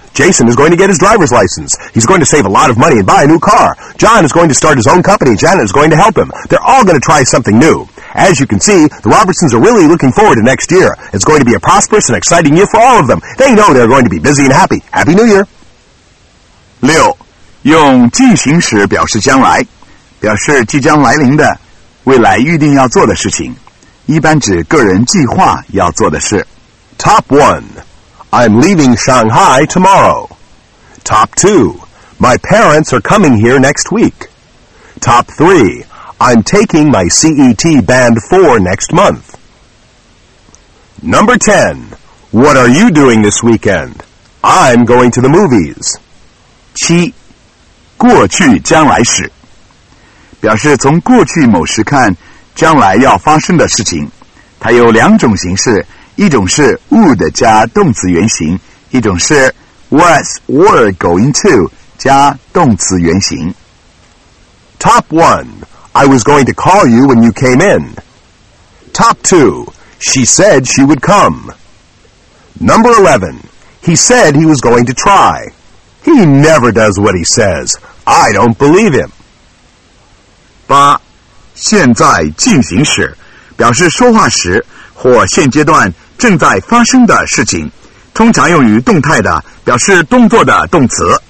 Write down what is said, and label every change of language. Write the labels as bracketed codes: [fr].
[en] Jason is going to get his driver's license. He's going to save a lot of money and buy a new car. John is going to start his own company. Janet is going to help him. They're all going to try something new. As you can see, the Robertsons are really looking forward to next year. It's going to be a prosperous and exciting year for all of them. They know they're going to be busy and happy. Happy New Year! [zh] 六，用进行时表示将来，表示即将来临的、未来预定要做的事情，一般指个人计划要做的事。 [en] Top 1. I'm leaving Shanghai tomorrow. Top 2. My parents are coming here next week. Top 3. I'm taking my CET Band 4 next month. Number 10. What are you doing this weekend? I'm going to the movies. [zh] 7. 过去将来时。表示从过去某时看将来要发生的事情。它有两种形式，一种是 would 加动词原形，一种是 was were going to 加动词原形。 [en] Top 1. I was going to call you when you came in. Top 2. She said she would come. Number 11. He said he was going to try. He never does what he says. I don't believe him. [zh] 8. 现在进行时，表示说话时或现阶段正在发生的事情，通常用于动态的表示动作的动词。